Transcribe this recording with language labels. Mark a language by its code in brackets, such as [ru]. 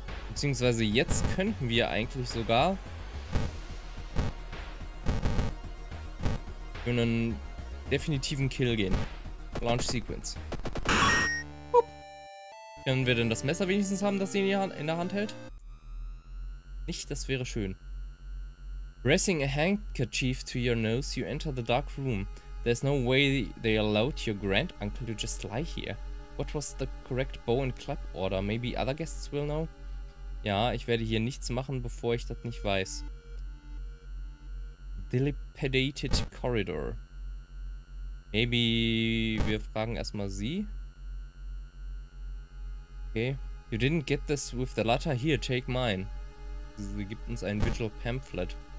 [de] Beziehungsweise jetzt könnten wir eigentlich sogar für einen definitiven Kill gehen. Launch Sequence. Hup. Können wir denn das Messer wenigstens haben, das sie in der Hand hält? Nicht, das wäre schön. [en] Pressing a handkerchief to your nose, you enter the dark room. There's no way they allowed your granduncle to just lie here. What was the correct bow and clap order? Maybe other guests will know? [de] Ja, ich werde hier nichts machen, bevor ich das nicht weiß. [en] Dilapidated corridor. [de] Maybe wir fragen erstmal sie. [en] Okay. You didn't get this with the letter? Here, take mine. [de] Sie gibt uns ein Vigil Pamphlet.